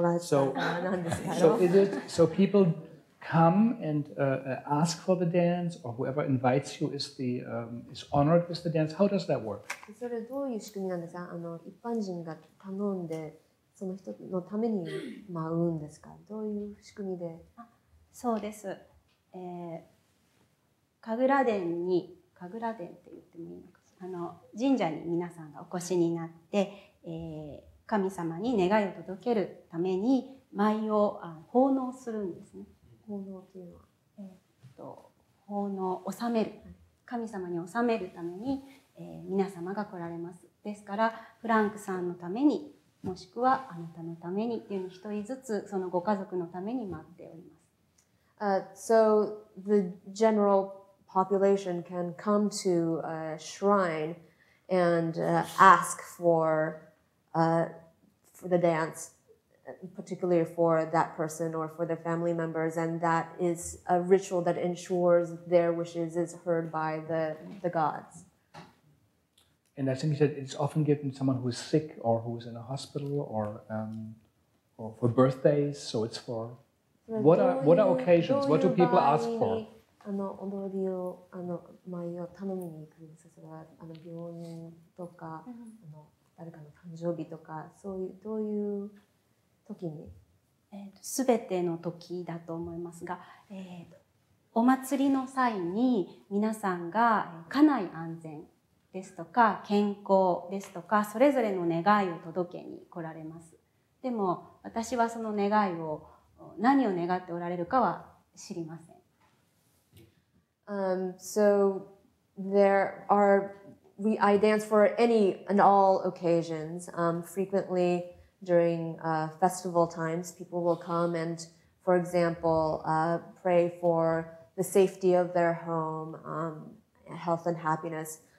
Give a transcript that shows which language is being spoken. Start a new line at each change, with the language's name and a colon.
English: So people come and ask for the dance, or whoever invites you is honored with the dance. How does that work?
Japanese: それどういう仕組みなんですか？一般人が頼んでその人のために舞うんですか？どういう仕組みで？そうです。神楽殿に、神楽殿って言ってもいいのか、神社に皆さんがお越しになって、神様に願いを届けるために舞を奉納するんですね。奉納というのは、奉納、納める。神様に納めるために、皆様が来られます。ですから、フランクさんのために、もしくはあなたのためにというのを一人ずつ、そのご家族のために待っております。
English: So the general population can come to a shrine and ask for the dance. Particularly for that person or for their family members, and that is a ritual that ensures their wishes is heard by the gods. And I think he said it's often given to someone who is sick or who is in a hospital or for birthdays. So it's for what are occasions? What do people ask for?
Japanese: あの踊りをあの舞を頼みに行くんですが、あの病院とか、mm-hmm. あの誰かの誕生日とかそういうどういう時に、すべての時だと思いますが、お祭りの際に皆さんが家内安全ですとか健康ですとかそれぞれの願いを届けに来られます。でも私はその願いを何を願っておられるかは知りません。
English: So there are, I dance for any and all occasions. Frequently during festival times, people will come and, for example, pray for the safety of their home, health and happiness.